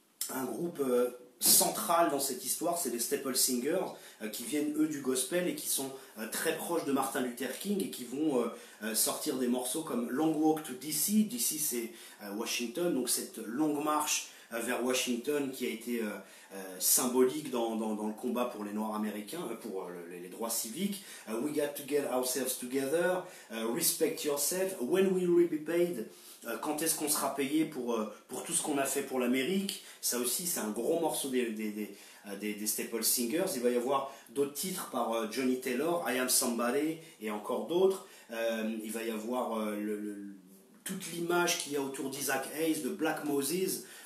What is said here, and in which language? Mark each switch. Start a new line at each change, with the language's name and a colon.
French: un groupe central dans cette histoire, c'est les Staple Singers, qui viennent eux du gospel et qui sont très proches de Martin Luther King et qui vont sortir des morceaux comme Long Walk to DC, DC c'est Washington, donc cette longue marche vers Washington qui a été symbolique dans le combat pour les Noirs américains, pour les droits civiques.
English: We got to get ourselves together, respect yourself, when will we be paid?
French: Quand est-ce qu'on sera payé pour tout ce qu'on a fait pour l'Amérique? Ça aussi, c'est un gros morceau des Staple Singers. Il va y avoir d'autres titres par Johnny Taylor, I Am Somebody et encore d'autres. Il va y avoir toute l'image qu'il y a autour d'Isaac Hayes, de Black Moses.